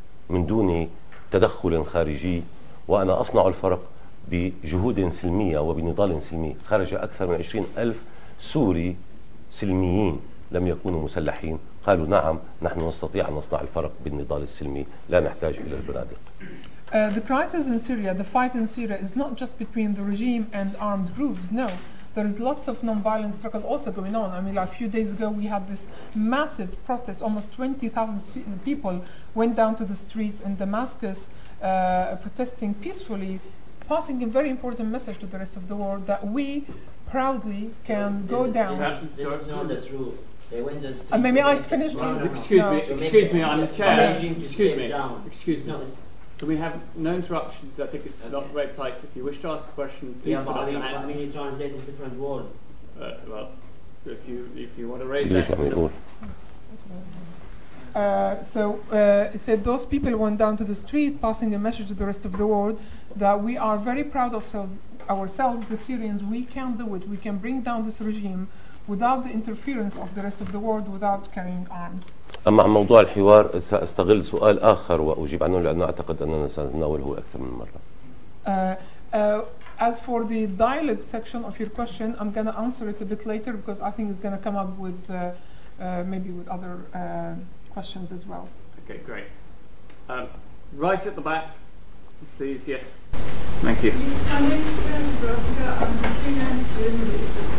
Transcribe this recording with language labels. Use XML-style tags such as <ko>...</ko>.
<ar>من دون تدخل خارجي وأنا أصنع الفرق بجهود سلمية وبنضال سلمي خرج أكثر من 20,000 سوري سلميين لم يكونوا مسلحين قالوا نعم نحن نستطيع أن نصنع الفرق بالنضال السلمي لا نحتاج إلى البنادق.</ar> <en>The crisis in Syria, the fight in Syria is not just between the regime and armed groups. No, there is lots of non-violent struggle also going on. I mean, like a few days ago, we had this massive protest. Almost 20,000 people went down to the streets in Damascus. protesting peacefully, passing a very important message to the rest of the world that we proudly can go down. That's not the truth. Maybe I finish, please. Excuse me. Can we have no interruptions? I think it's okay. Not very polite. If you wish to ask a question, please. Yeah, but how many translate this different word? If you want to raise please that. So those people went down to the street, passing a message to the rest of the world that we are very proud of ourselves, the Syrians. We can do it. We can bring down this regime without the interference of the rest of the world, without carrying arms.</en> <ar>أما عن موضوع الحوار سأستغل سؤال آخر وأجيب عنه لأنه أعتقد أننا سنتناوله أكثر من مرة.</ar> <en>As for the dialogue section of your question, I'm going to answer it a bit later because I think it's going to come up with maybe with other questions as well. Okay, great. Right at the back, please. Yes. Thank you. Ms. Kaminska and Broska, I'm a freelance journalist.</en>